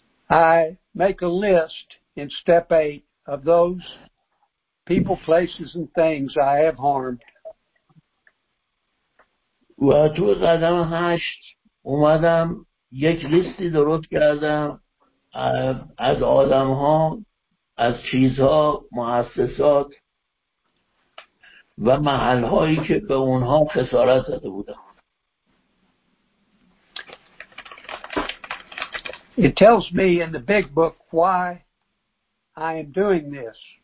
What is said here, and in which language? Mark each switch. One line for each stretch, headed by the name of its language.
English: I make a list in step 8 of those people, places and things I have harmed.
Persian: و تو قدم 8 اومدم یک لیستی درست کردم از آدم ها، از چیزها، مؤسسات و محل هایی که به اونها خسارت زده بودم.
English: It tells me in the big book why I am doing this.